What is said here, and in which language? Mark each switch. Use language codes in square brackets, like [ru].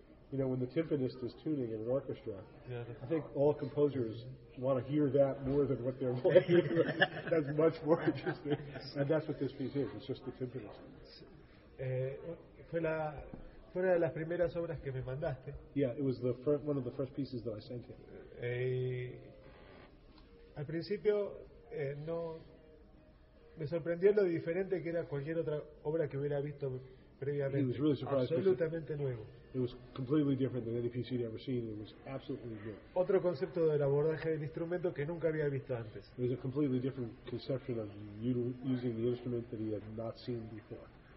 [en] You know, when the timpanist is tuning in an orchestra, I think all composers want to hear that more than what they're playing. That's much more interesting. And that's what this piece is, it's just the timpanist. [es] Fue una de las primeras obras que me mandaste. [en] Yeah, it was the first, one of the first pieces that I sent you. [es] Al principio no me sorprendió lo diferente que era cualquier otra obra que hubiera visto previamente. [en] He was really surprised. [es] Absolutamente nuevo. [en] It was completely different than any piece he'd ever seen. It was absolutely new. [es] Otro concepto del abordaje del instrumento que nunca había visto antes. [en] It was a completely different conception of using the instrument that he had not seen before.